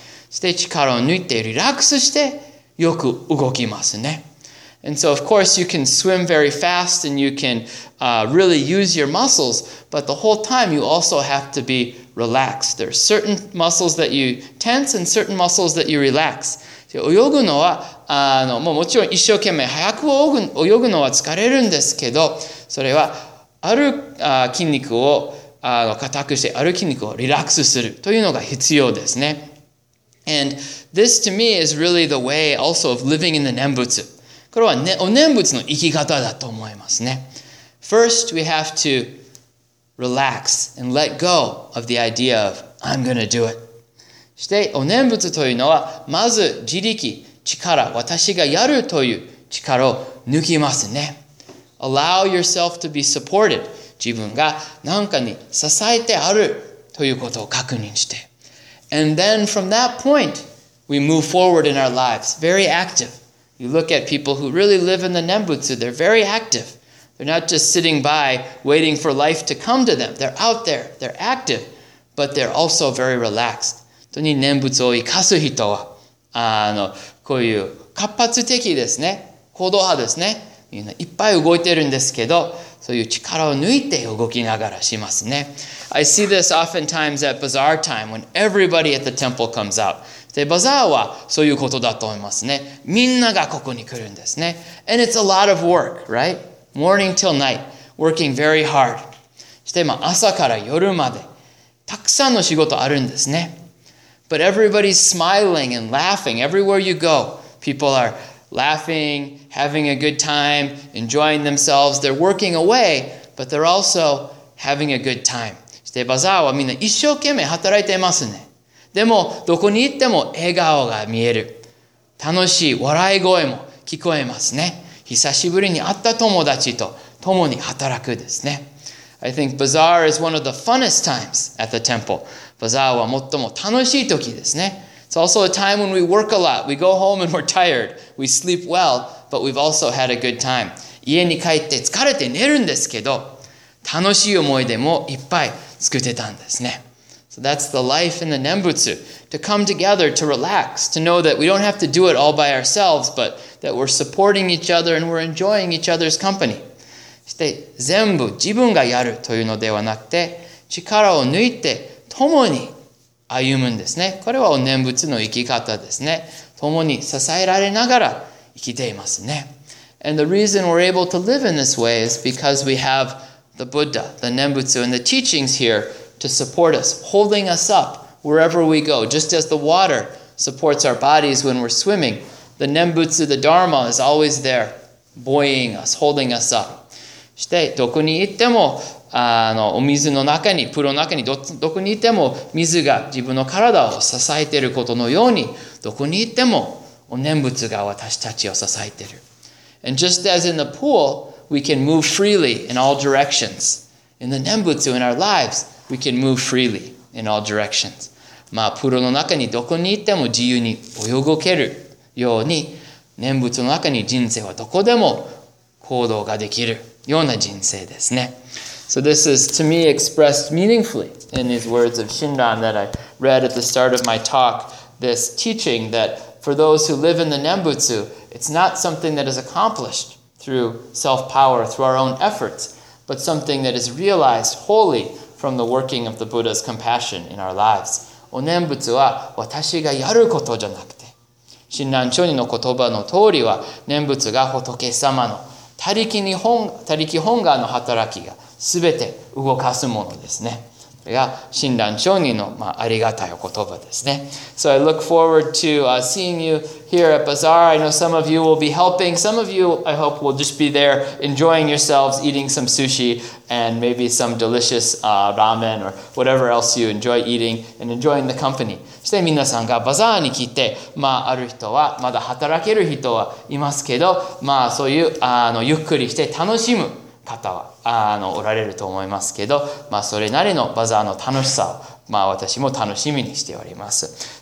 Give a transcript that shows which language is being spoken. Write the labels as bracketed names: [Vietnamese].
[Japanese] して力を抜いてリラックスしてよく動きますね。 [English] And so, of course, you can swim very fast and you can really use your muscles, but the whole time you also have to be relaxed. There are certain muscles that you tense and certain muscles that you relax. [Japanese] 泳ぐのは、もちろん一生懸命早く泳ぐのは疲れるんですけど、それはある筋肉を硬くしてある筋肉をリラックスするというのが必要ですね。 [English] And this to me is really the way also of living in the 念仏。 [Japanese] これは、ね、お念仏の生き方だと思いますね。 [English] First, we have to relax and let go of the idea of I'm going to do it. [Japanese] して、お念仏というのは、まず自力、力、私がやるという力を抜きますね。 [English] Allow yourself to be supported. [Japanese] 自分が何かに支えてあるということを確認して。 [English] And then from that point, we move forward in our lives. Very active. You look at people who really live in the 念仏, they're very active. They're not just sitting by waiting for life to come to them. They're out there, they're active, but they're also very relaxed. [Japanese] 本当に念仏を生かす人は、こういう活発的ですね、行動派ですね、いっぱい動いてるんですけど、そういう力を抜いて動きながらしますね。 [English] I see this oftentimes at bazaar time when everybody at the temple comes out. [Japanese] で、バザーはそういうことだと思いますね。みんながここに来るんですね。 [English] And it's a lot of work, right? Morning till night, working very hard. [Japanese] して、まあ、朝から夜まで、たくさんの仕事あるんですね。 [English] But everybody's smiling and laughing everywhere you go. People are laughing, having a good time, enjoying themselves. They're working away, but they're also having a good time. [Japanese] してバザーはみんな一生懸命働いてますね。でもどこに行っても笑顔が見える。楽しい笑い声も聞こえますね。久しぶりに会った友達と共に働くですね。 [English] I think bazaar is one of the funnest times at the temple. [Japanese] バザーは最も楽しい時ですね。 [English] It's also a time when we work a lot. We go home and we're tired. We sleep well, but we've also had a good time. [Japanese] 家に帰って疲れて寝るんですけど、楽しい思い出もいっぱい作ってたんですね。 [English] So that's the life in the 念仏. To come together, to relax, to know that we don't have to do it all by ourselves, but that we're supporting each other and we're enjoying each other's company. [Japanese] そして全部自分がやるというのではなくて、力を抜いて、共に歩むんですね。これはお念仏の生き方ですね。共に支えられながら生きていますね。 [English] And the reason we're able to live in this way is because we have the Buddha, the 念仏 and the teachings here to support us, holding us up wherever we go. Just as the water supports our bodies when we're swimming, the 念仏 the Dharma is always there, buoying us, holding us up. [Japanese] そしてどこに行ってもお水の中に、プロの中に、どこに行っても、水が自分の体を支えていることのように、どこに行っても、お念仏が私たちを支えている。 [English] And just as in the pool, we can move freely in all directions. In the 念仏, in our lives, we can move freely in all directions. [Japanese] まあ、プロの中にどこに行っても自由に泳ごけるように、念仏の中に人生はどこでも行動ができるような人生ですね。 [English] So this is, to me, expressed meaningfully in these words of Shinran that I read at the start of my talk, this teaching that for those who live in the 念仏, it's not something that is accomplished through self-power, through our own efforts, but something that is realized wholly from the working of the Buddha's compassion in our lives. [Japanese] お念仏は私がやることじゃなくて、Shinran Chōnin の言葉の通りは、念仏が仏様の他力本願の働きが、すべて動かすものですね。が診断承認の、まあ、ありがたいお言葉ですね。 [English] So I look forward to、seeing you here at Bazaar. I know some of you will be helping. Some of you, I hope, will just be there enjoying yourselves, eating some sushi and maybe some delicious、ramen or whatever else you enjoy eating and enjoying the company. [Japanese] そして皆さんがバザーに来て、まあ、ある人は、まだ働ける人はいますけど、まあ、そういう、ゆっくりして楽しむ方は、おられると思いますけど、まあ、それなりのバザーの楽しさを、まあ、私も楽しみにしております。